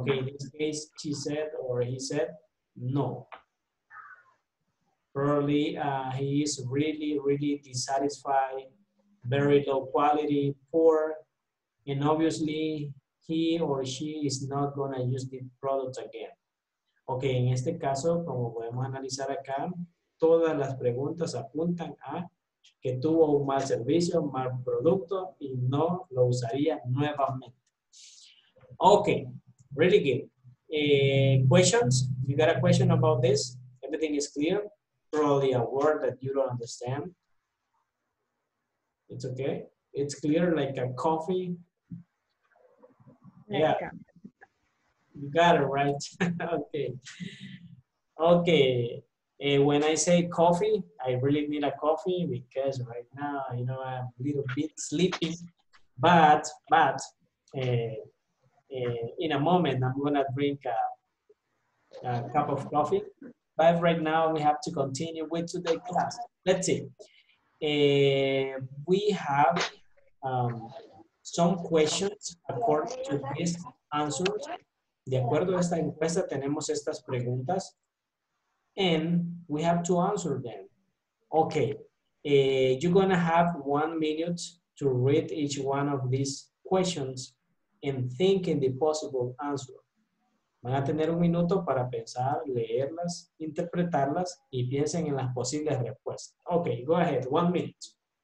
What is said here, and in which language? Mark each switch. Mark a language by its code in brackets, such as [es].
[en] Okay, in this case, she said or he said no. Probably he is really, really dissatisfied. Very low quality, poor, and obviously he or she is not gonna use the product again. [es] Okay, en este caso, como podemos analizar acá, todas las preguntas apuntan a que tuvo un mal servicio, mal producto, y no lo usaría nuevamente. [en] Okay, really good. Questions? You got a question about this? Everything is clear? Probably a word that you don't understand. It's okay. It's clear, like a coffee. Yeah. You got it, right? Okay. Okay. When I say coffee, I really need a coffee because right now, you know, I'm a little bit sleepy. But in a moment, I'm going to drink a cup of coffee. But right now, we have to continue with today's class. Let's see. We have some questions according to these answers. [es] De acuerdo a esta encuesta, tenemos estas preguntas. [en] And we have to answer them. Okay. You're going to have 1 minute to read each one of these questions and think in the possible answer. [es] Van a tener un minuto para pensar, leerlas, interpretarlas y piensen en las posibles respuestas. [en] Okay, go ahead, 1 minute.